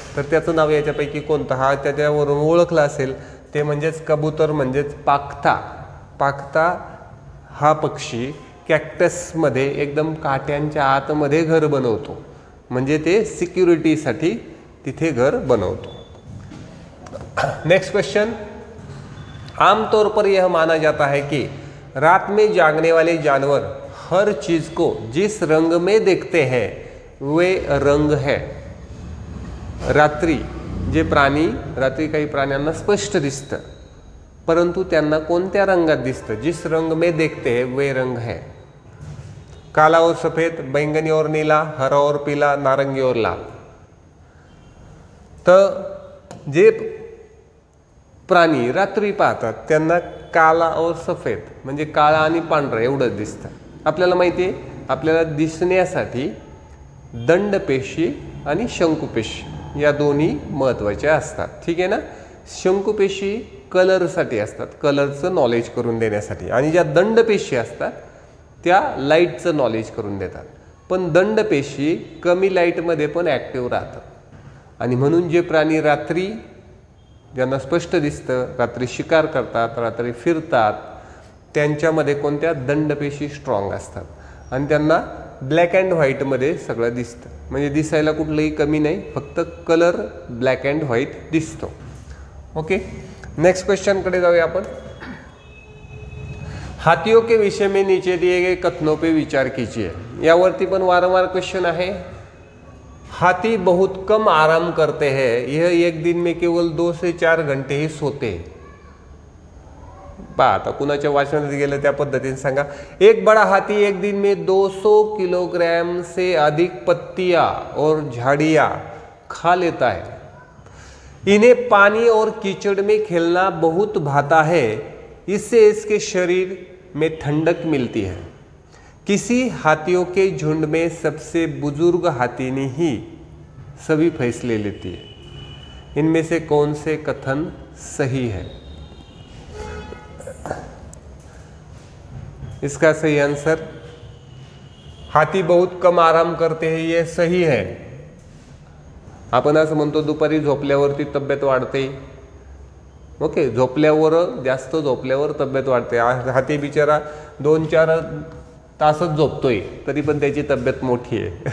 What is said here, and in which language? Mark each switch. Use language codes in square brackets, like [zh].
[mr] तर त्याचं नाव याच्यापैकी कोणतं, हा त्याच्यावरून ओळखला असेल, ते म्हणजेच कबूतर, म्हणजेच पाखता, पाखता हा पक्षी कॅक्टसमध्ये एकदम काट्यांच्या आतमध्ये घर बनवतो, म्हणजे ते सिक्युरिटीसाठी तिथे घर बनवतो। [hi] नेक्स्ट क्वेश्चन, आमतौर पर यह माना जाता है कि रात में जागने वाले जानवर हर चीज को जिस रंग में देखते हैं वे रंग है, [mr] रात्री जे प्राणी, रात्री काही प्राण्यांना स्पष्ट दिसतं परंतु त्यांना कोणत्या रंगात दिसतं, [hi] जिस रंग में देखते हैं वे रंग है, काला और सफेद, बैंगनी और नीला, हरा और पीला, नारंगी और लाल। [mr] तर जे प्राणी रात्री पाहतात त्यांना [hi] काला और सफेद [mr] म्हणजे काळा आणि पांढरा एवढंच दिसतं। आपल्याला माहिती आहे आपल्याला दिसण्यासाठी दंडपेशी आणि शंकूपेशी या दोन्ही महत्त्वाच्या असतात, ठीक आहे ना, शंकूपेशी कलरसाठी असतात, कलरचं नॉलेज करून देण्यासाठी, आणि ज्या दंडपेशी असतात त त्या लाईटचं नॉलेज करून देतात. पण दंड पेशी कमी लाईटमध्ये पण ॲक्टिव्ह राहतात. आणि म्हणून जे प्राणी रात्री ज्यांना स्पष्ट दिसतं, रात्री शिकार करतात, रात्री फिरतात, त्यांच्यामध्ये कोणत्या दंड पेशी स्ट्रॉंग असतात आणि त्यांना ब्लॅक अँड व्हाईटमध्ये सगळं दिसतं. म्हणजे दिसायला कुठलंही कमी नाही, फक्त कलर ब्लॅक अँड व्हाईट दिसतो. ओके, नेक्स्ट क्वेश्चनकडे जाऊया आपण. [hi] हाथियों के विषय में नीचे दिए गए कथनों पे विचार कीजिए. [mr] यावरती पण वारंवार क्वेश्चन आहे. [hi] हाथी बहुत कम आराम करते है, यह एक दिन में केवल 2 से 4 घंटे ही सोते. [mr] पहा आता कुणाच्या वाचनात गेलं त्या पद्धतीने सांगा. [hi] एक बड़ा हाथी एक दिन में 200 किलोग्राम से अधिक पत्तिया और झाड़िया खा लेता है. इन्हें पानी और कीचड़ में खेलना बहुत भाता है, इससे इसके शरीर में ठंडक मिलती है. किसी हाथियों के झुंड में सबसे बुजुर्ग हाथी ने ही सभी फैसले लेती है. इनमें से कौन से कथन सही है? इसका सही आंसर, हाथी बहुत कम आराम करते हैं, ये सही है. [mr] आपण असं म्हणतो दुपारी झोपल्यावरती तब्येत वाढते. ओके, झोपल्यावर, जास्त झोपल्यावर तब्येत वाढते. हाथी बिचारा 2-4 तासच झोपतोय तरी पण त्याची तब्येत मोठी आहे.